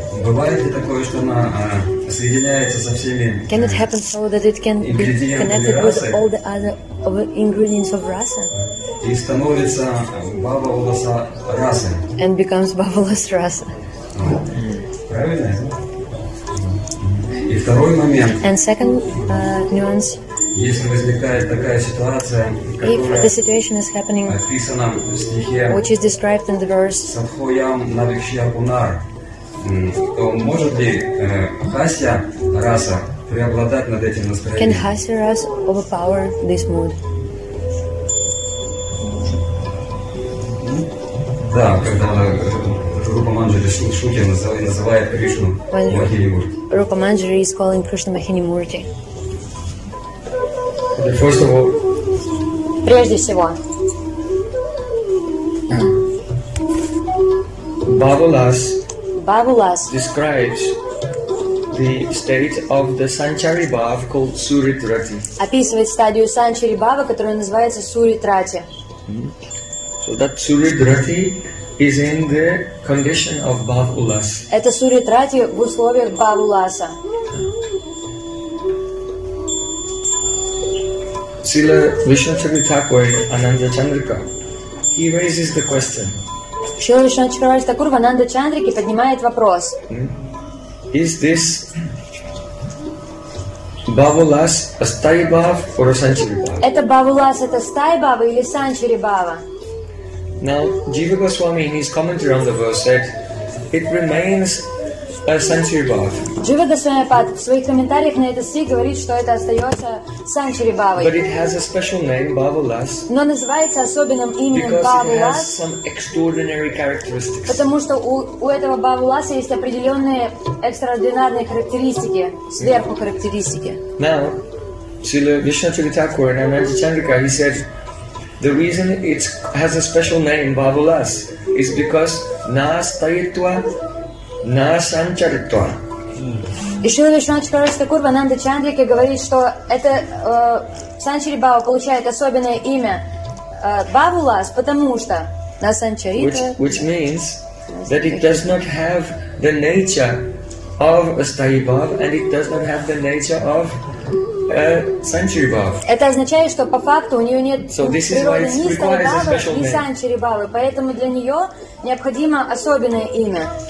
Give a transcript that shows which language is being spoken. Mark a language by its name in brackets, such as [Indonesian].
[Russian] Бывает ли такое, что она соединяется со всеми? [English] Can it happen so that it can be connected with all the other ingredients of rasa? [Russian] И становится баба уласа раса. [English] And becomes баба улас раса. [Russian] Правильно? И второй момент. [English] And second nuance. [Russian] Если возникает такая ситуация, которая [English] the situation is happening, [Russian] описана в стихе, [English] which is described in the verse, [Sanskrit] садхоям навикшья пунар. [Russian] То может ли хасья раса преобладать над этим настроением? [English] Can хасья раса overpower this mood? [Russian] Да, когда Рупа Манджари Шуки называет Кришну Махинимурти. [English] Рупа Манджари is calling Krishna Махинимурти. First of all. [Russian] Прежде всего. Бабулас. [English] Bhavalas describes the state of the Sanchari Bhav called Suritrati. [Russian] Описывает стадию Санчари Бхава, которая называется Суритрати. [English] So that Suritrati is in the condition of Bhavulas. [Russian] Это Суритрати в условиях Бхавуласа. [English] Srila Vishnuchandra Thakur Ananda Chandrika, he raises the question. [Russian] Шрила Вишна Чакраварти Такур в Ананда Чандрике поднимает вопрос. [English] Is this Bhavulas a stai bhav or a sanchari bhav? [Russian] Это Bhavulas, это стай бхава или санчари бхава? [English] Now, Jiva Goswami in his commentary on the verse said, it remains a sanchari bhav. [Russian] Jiva Goswami Pat в своих комментариях на этот стих говорит, что это остается санчари бхавой. [English] But it has a special name, Bhavulas. [Russian] Но называется особенным именем Bhavulas. [English] Because it has some extraordinary characteristics. [Russian] Потому что у этого Bhavulas есть определенные экстраординарные характеристики, сверху характеристики. [English] Now, Srila Vishnuchandra Thakur and Ananda Chandrika, he said, the reason it has a special name, Bhavulas, is because [Sanskrit] na stayitva на санчаритва. [Russian] И Шрила Вишнава Чакраварти Такур в Ананда Чандрике говорит, что это санчари бхава получает особенное имя Бхавулас, потому что [Sanskrit] на санчарита. [English] Which means that it does not have the nature of a stai bhav and it does not have the nature of a sanchari bhav. [Russian] Это означает, что по факту у нее нет природы ни стай бхава, ни санчари бхавы, поэтому для нее необходимо особенное имя.